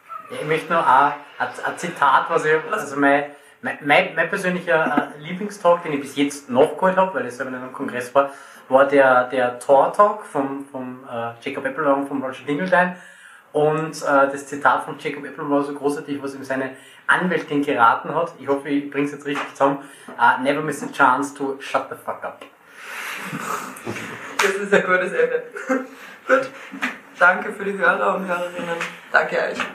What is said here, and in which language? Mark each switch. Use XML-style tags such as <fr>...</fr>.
<de>Ja, ich möchte noch ein Zitat, was ich... Also mein persönlicher Lieblingstalk, den ich bis jetzt noch geholt habe, weil ich selber nicht am Kongress war, war der Tor-Talk vom Jacob Eppelbaum, vom Roger Dingelstein. Und das Zitat von Jacob Eppelbaum war so großartig, was ihm seine Anwältin geraten hat. Ich hoffe, ich bringe es jetzt richtig zusammen.</de> <en>Never miss a chance to shut the fuck up.</en> <de>Das ist ein gutes Ende. Gut. Danke für die Hörer und Hörerinnen. Danke euch.</de>